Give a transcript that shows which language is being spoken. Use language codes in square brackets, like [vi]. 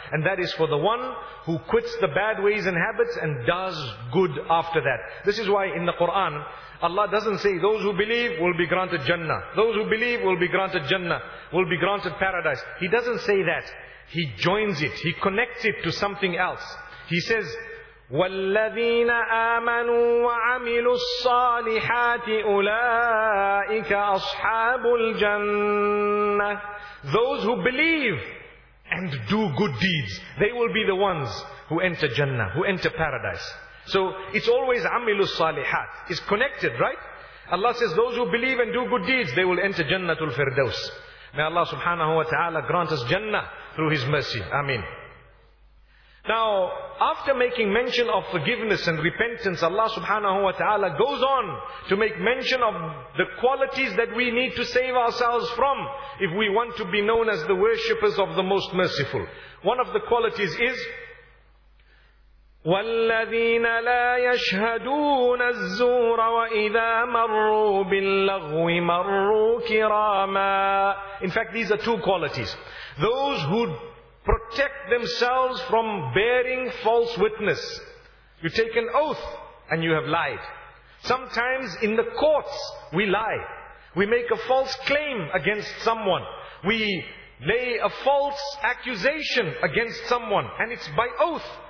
[en] And that is for the one who quits the bad ways and habits and does good after that. This is why in the Quran, Allah doesn't say, those who believe will be granted Jannah. Those who believe will be granted Jannah, will be granted paradise. He doesn't say that. He joins it. He connects it to something else. [ar] He says, وَالَّذِينَ آمَنُوا وَعَمِلُوا الصَّالِحَاتِ أُولَٰئِكَ أَصْحَابُ الْجَنَّةِ. [en] Those who believe and do good deeds, they will be the ones who enter Jannah, who enter paradise. So it's always [ar] عَمِلُوا الصَّالِحَاتِ. [en] It's connected, right? Allah says those who believe and do good deeds, they will enter Jannatul Firdaus. May Allah subhanahu wa ta'ala grant us Jannah through His mercy. Ameen. Now, after making mention of forgiveness and repentance, Allah subhanahu wa ta'ala goes on to make mention of the qualities that we need to save ourselves from if we want to be known as the worshippers of the Most Merciful. [ar] One of the qualities is, وَالَّذِينَ لَا يَشْهَدُونَ الزُّورَ وَإِذَا مَرُّوا بِاللَّغْوِ مَرُّوا كِرَامًا. [en] In fact, these are two qualities. Those who protect themselves from bearing false witness. You take an oath and you have lied. Sometimes in the courts we lie. We make a false claim against someone. We lay a false accusation against someone, and it's by oath.